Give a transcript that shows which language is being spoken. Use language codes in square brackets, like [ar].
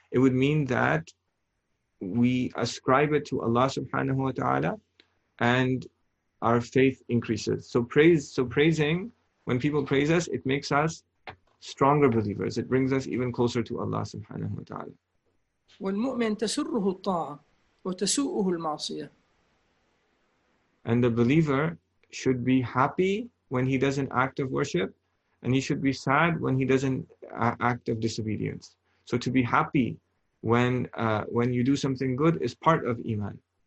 [en] It would mean that we ascribe it to Allah subhanahu wa ta'ala and our faith increases. So praising, when people praise us, it makes us stronger believers. It brings us even closer to Allah subhanahu wa ta'ala. [ar] والمؤمن تسره الطاعة وتسوءه المعصية. [en] And the believer should be happy when he does an act of worship, and he should be sad when he does an act of disobedience. So to be happy when you do something good is part of iman.